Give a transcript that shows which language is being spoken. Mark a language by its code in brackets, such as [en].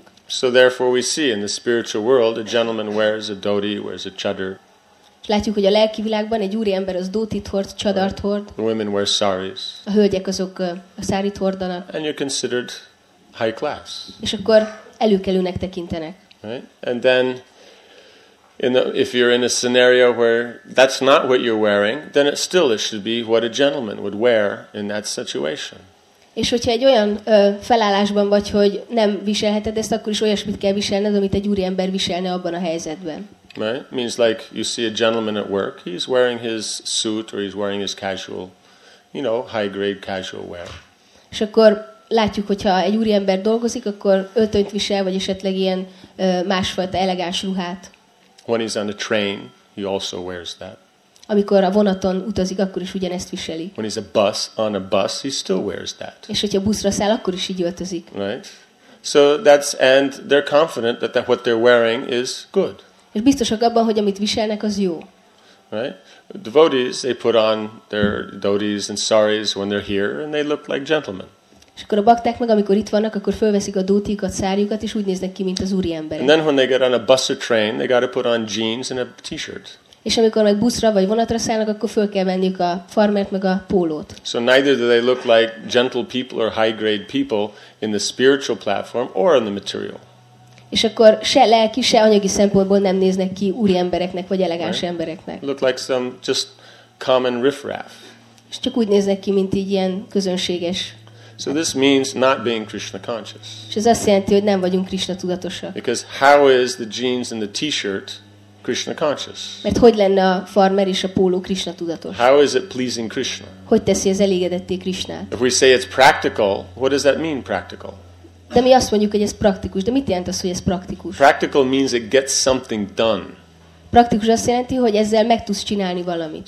[en] So therefore we see in the spiritual world a gentleman wears a dhoti, wears a chador. [hu] Látjuk, hogy a lelki világban egy úriember az dhotit hord, csadart hord. [en] The women wear saris. [hu] A hölgyek azok a sárit hordanak. [en] And you're considered high class. [hu] És akkor előkelőnek tekintenek. [en] Right? And then if you're in a scenario where that's not what you're wearing, then it should be what a gentleman would wear in that situation. [hu] És hogyha egy olyan felállásban vagy, hogy nem viselheted ezt, akkor is olyasmit kell viselned, amit egy úriember viselne abban a helyzetben. [en] Right? Means like you see a gentleman at work, he's wearing his suit or he's wearing his casual, you know, high grade casual wear. [hu] És akkor látjuk, hogyha egy úriember dolgozik, akkor öltönyt visel, vagy esetleg ilyen másfajta elegáns ruhát. [en] When he's on the train, he also wears that. [hu] Amikor a vonaton utazik, akkor is ugyanezt viseli. [en] When he's on a bus, he still wears that. [hu] És hogyha buszra száll, akkor is így öltözik. [en] Right? So that's, and they're confident that what they're wearing is good. [hu] És biztosak abban, hogy amit viselnek, az jó. [en] Right? Devotees, they put on their dhotis and saris when they're here, and they look like gentlemen. [hu] És akkor a bakták meg, amikor itt vannak, akkor fölveszik a dótikat, szárjukat, és úgy néznek ki, mint az úriemberek. [en] And then when they get on a bus or train, they got to put on jeans and a t-shirt. [hu] És amikor meg buszra vagy vonatra szállnak, akkor föl kell venniük a farmert meg a pólót. [en] So neither do they look like gentle people or high grade people in the spiritual platform or in the material. [hu] És akkor se lelki, se anyagi szempontból nem néznek ki úriembereknek vagy elegáns embereknek. [en] Look like some just common riffraff. [hu] És csak úgy néznek ki, mint így ilyen közönséges. [en] So this means not being Krishna conscious. [hu] És ez azt jelenti, hogy nem vagyunk Krishna tudatosak. [en] Because how is the jeans and the t-shirt Krishna conscious? [hu] Mert hogy lenne a farmer és a póló Krishna tudatos? [en] How is it pleasing Krishna? [hu] Hogy teszi ez elégedetté Krishnát? [en] If we say it's practical, what does that mean practical? [hu] De mi azt mondjuk, hogy ez praktikus, de mit jelent az, hogy ez praktikus? [en] Practical means it gets something done. [hu] Praktikus azt jelenti, hogy ezzel meg tudsz csinálni valamit.